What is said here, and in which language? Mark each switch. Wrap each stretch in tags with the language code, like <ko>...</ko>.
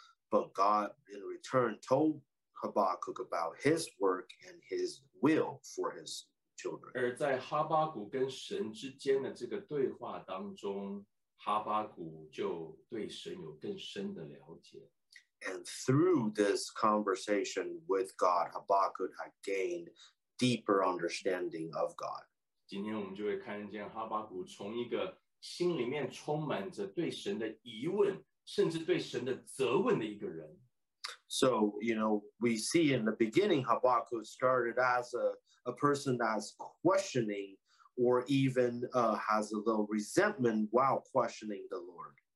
<en>But God, in return, told Habakkuk about his work and his will for his children.</en> <zh>而在哈巴谷跟神之间的这个对话当中, 哈巴谷就对神有更深的了解。</zh> <en>And through this conversation with God, Habakkuk had gained deeper understanding of God.</en> <zh>今天我们就会看见哈巴谷从一个 心里面充满着对神的疑问，甚至对神的责问的一个人。</zh> <en>So, you know, we see in the beginning, Habakkuk started as a person that's questioning or even has a little resentment while questioning the Lord.</en>